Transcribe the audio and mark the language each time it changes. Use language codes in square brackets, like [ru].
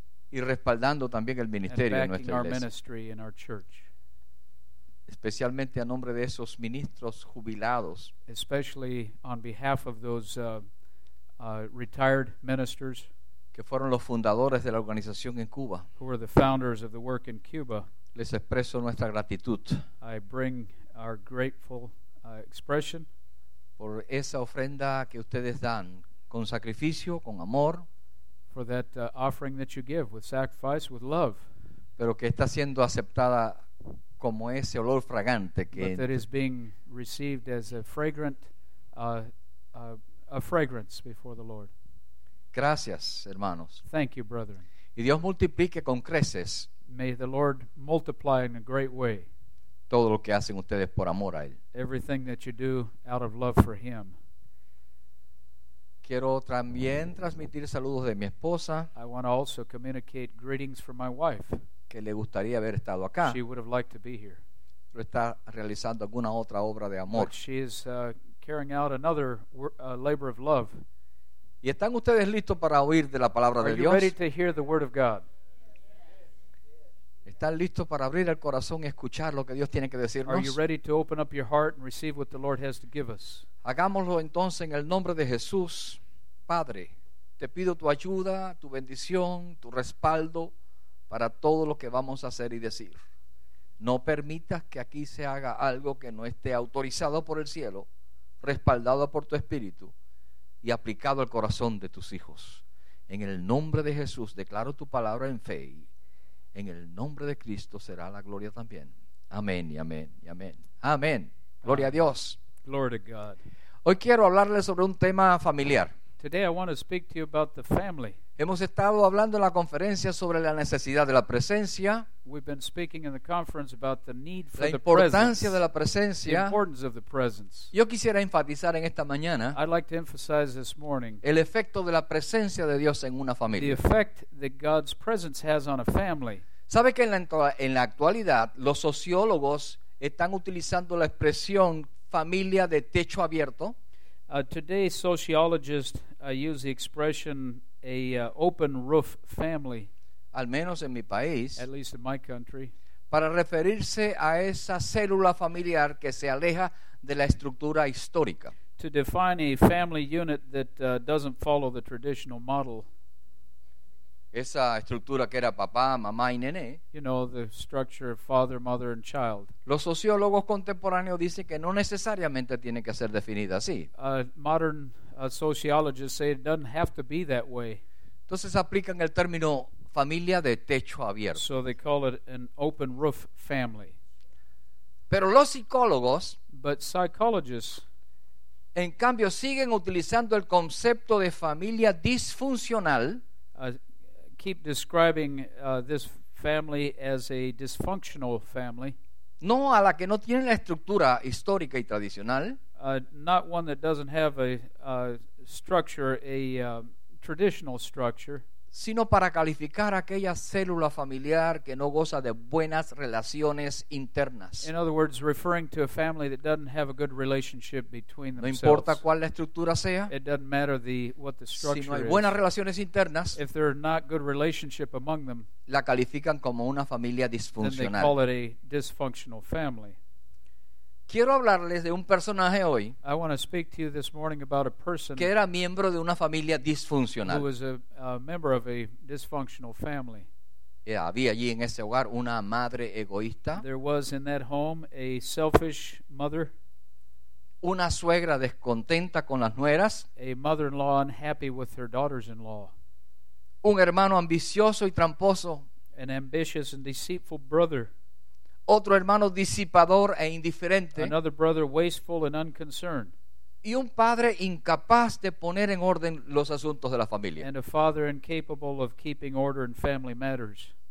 [es] y respaldando también el ministerio de nuestra iglesia, [en] ministry in our church, [es] especialmente a nombre de esos ministros jubilados, [en] especially on behalf of those retired ministers, [es] que fueron los fundadores de la organización en Cuba, [en] who were the founders of the work in Cuba. [es] Les expreso nuestra gratitud. [en] I bring our grateful expression [es] por esa ofrenda que ustedes dan con sacrificio, con amor, [en] for that offering that you give with sacrifice, with love, [es] pero que está siendo aceptada como ese olor fragante que [en] but that is being received as a fragrant a fragrance before the Lord. [es] Gracias, hermanos. [en] Thank you, brethren. [es] Y Dios multiplique con creces. [en] May the Lord multiply in a great way. [es] Todo lo que hacen ustedes por amor a él. [en] Everything that you do out of love for him. [es] Quiero también transmitir saludos de mi esposa. [en] I want to also communicate greetings for my wife. [es] Que le gustaría haber estado acá. [en] She would have liked to be here. [es] Pero está realizando alguna otra obra de amor. [en] But she is carrying out another labor of love. [es] ¿Y están ustedes listos para oír de la palabra [en] Are [es] de Dios? [en] Are you ready to hear the word of God? [es] ¿Están listos para abrir el corazón y escuchar lo que Dios tiene que decirnos? [en] Are you ready to open up your heart and receive what the Lord has to give us? [es] Hagámoslo entonces en el nombre de Jesús. Padre, te pido tu ayuda, tu bendición, tu respaldo para todo lo que vamos a hacer y decir. No permitas que aquí se haga algo que no esté autorizado por el cielo, respaldado por tu espíritu y aplicado al corazón de tus hijos. En el nombre de Jesús declaro tu palabra en fe y en el nombre de Cristo será la gloria también. Amén y amén y amén. Amén. Gloria a Dios. [en] Glory to God. [es] Hoy quiero hablarles sobre un tema familiar. [en] Today I want to speak to you about the family. [es] Hemos estado hablando en la conferencia sobre la necesidad de la presencia. [en] We've been speaking in the conference about the need for the presence. [es] La importancia de la presencia. [en] The importance of the presence. [es] Yo quisiera enfatizar en esta mañana. [en] I'd like to emphasize this morning. [es] El efecto de la presencia de Dios en una familia. [en] The effect that God's presence has on a family. [es] ¿Sabe que en la actualidad los sociólogos están utilizando la expresión familia de techo abierto? [en] Today sociologists use the expression open roof family, [es] al menos en mi país, [en] at least in my country, [es] para referirse a esa célula familiar que se aleja de la estructura histórica, [en] to define a family unit that doesn't follow the traditional model, [es] esa estructura que era papá, mamá y nené, [en] you know, the structure of father, mother and child. [es] Los sociólogos contemporáneos dicen que no necesariamente tiene que ser definida así. [en] Sociologists say it doesn't have to be that way. [es] Entonces aplican el término familia de techo abierto. [en] So they call it an open roof family. [es] Pero los psicólogos, [en] but psychologists, [es] en cambio, siguen utilizando el concepto de familia disfuncional. [en] Keep describing this family as a dysfunctional family. [es] No a la que no tiene la estructura histórica y tradicional. [en] Not one that doesn't have a structure, a traditional structure. [es] sino para calificar aquella célula familiar que no goza de buenas relaciones internas. [en] In other words, referring to a family that doesn't have a good relationship between themselves. [es] No importa cuál la estructura sea. [en] It doesn't matter what the structure is. [es] Si no hay buenas relaciones internas, [en] if there are not good relationship among them, [es] la califican como una familia disfuncional. [en] Then they call it a dysfunctional family. [es] Quiero hablarles de un personaje hoy. [en] I want to speak to you this morning about a person [es] que era miembro de una familia disfuncional. [en] Who was a member of a dysfunctional family. [es] Yeah, había allí en ese hogar una madre egoísta. [en] There was in that home a selfish mother. [es] Una suegra descontenta con las nueras. [en] A mother-in-law unhappy with her daughters-in-law. [es] Un hermano ambicioso y tramposo. [en] An ambitious and deceitful brother. [es] Otro hermano disipador e indiferente. [en] Another brother wasteful and unconcerned. [es] Y un padre incapaz de poner en orden los asuntos de la familia. [en] And a father incapable of keeping order in family matters.